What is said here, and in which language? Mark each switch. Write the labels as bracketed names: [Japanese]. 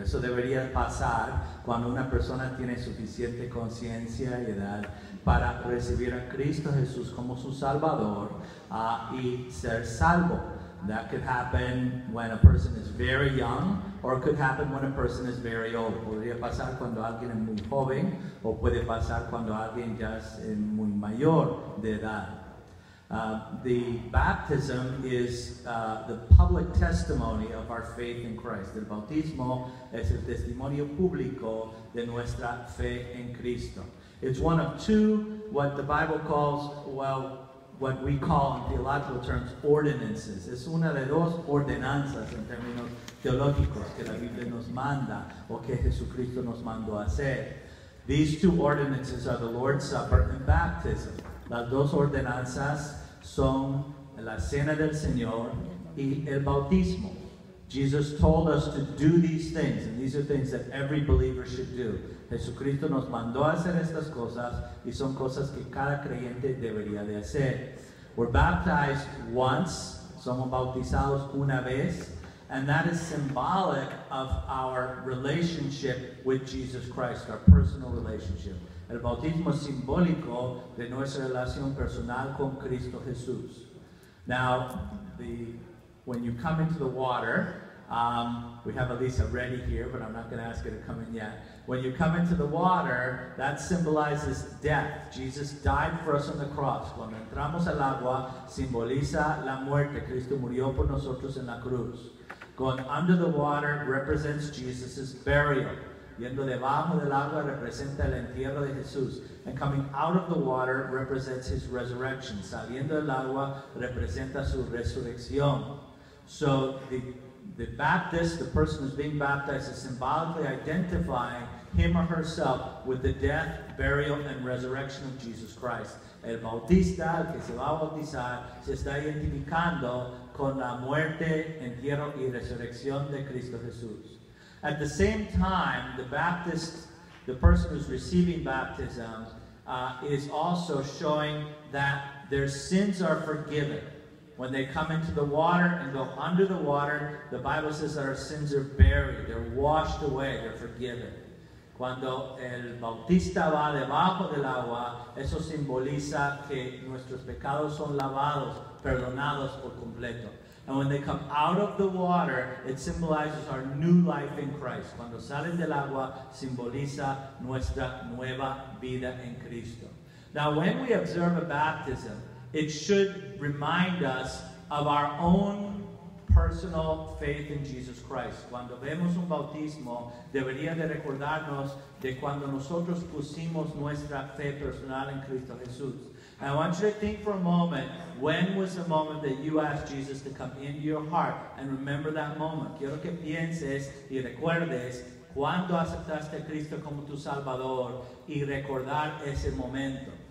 [Spanish] Eso debería pasar cuando una persona tiene suficiente conciencia y edad para recibir a Cristo Jesús como su Salvador y ser salvo. [English] That could happen when a person is very young, or it could happen when a person is very old. [Spanish] Podría pasar cuando alguien es muy joven, o puede pasar cuando alguien ya es muy mayor de edad. [English] The baptism is the public testimony of our faith in Christ. [Spanish] El bautismo es el testimonio público de nuestra fe en Cristo. [English] It's one of two, what the Bible calls, well, what we call in theological terms, ordinances. [Spanish] Es una de dos ordenanzas en términos teológicos que la Biblia nos manda o que Jesucristo nos mandó a hacer. [English] These two ordinances are the Lord's Supper and baptism. [Spanish] Las dos ordenanzas son la cena del Señor y el bautismo. [English] Jesus told us to do these things, and these are things that every believer should do. [Spanish] Jesucristo nos mandó a hacer estas cosas, y son cosas que cada creyente debería de hacer. [English] We're baptized once, [Spanish] somos bautizados una vez, [English] and that is symbolic of our relationship with Jesus Christ, our personal relationship. [Spanish] El bautismo es simbólico de nuestra relación personal con Cristo Jesús. [English] Now, when you come into the water, we have Elisa ready here, but I'm not going to ask her to come in yet. When you come into the water, that symbolizes death. Jesus died for us on the cross. [Spanish] Cuando entramos al agua, simboliza la muerte. Cristo murió por nosotros en la cruz. [English] Going under the water represents Jesus' burial. [Spanish] Yendo debajo del agua representa el entierro de Jesús. [English] And coming out of the water represents his resurrection. [Spanish] Saliendo del agua representa su resurrección. [English] So the Baptist, the person who's being baptized, is symbolically identifying him or herself with the death, burial, and resurrection of Jesus Christ. [Spanish] El bautista, el que se va a bautizar, se está identificando con la muerte, entierro, y resurrección de Cristo Jesús. [English] At the same time, the Baptist, the person who's receiving baptism, is also showing that their sins are forgiven. When they come into the water and go under the water, the Bible says that our sins are buried, they're washed away, they're forgiven. [Spanish] Cuando el bautista va debajo del agua, eso simboliza que nuestros pecados son lavados, perdonados por completo. [English] And when they come out of the water, it symbolizes our new life in Christ. [Spanish] Cuando salen del agua, simboliza nuestra nueva vida en Cristo. [English] Now, when we observe a baptism, it should remind us of our own personal faith in Jesus Christ. [Spanish] Cuando vemos un bautismo, debería de recordarnos de cuando nosotros pusimos nuestra fe personal en Cristo Jesús. [English] And I want you to think for a moment, when was the moment that you asked Jesus to come into your heart? And remember that moment. [Spanish] Quiero que pienses y recuerdes cuando aceptaste a Cristo como tu Salvador y recordar ese momento.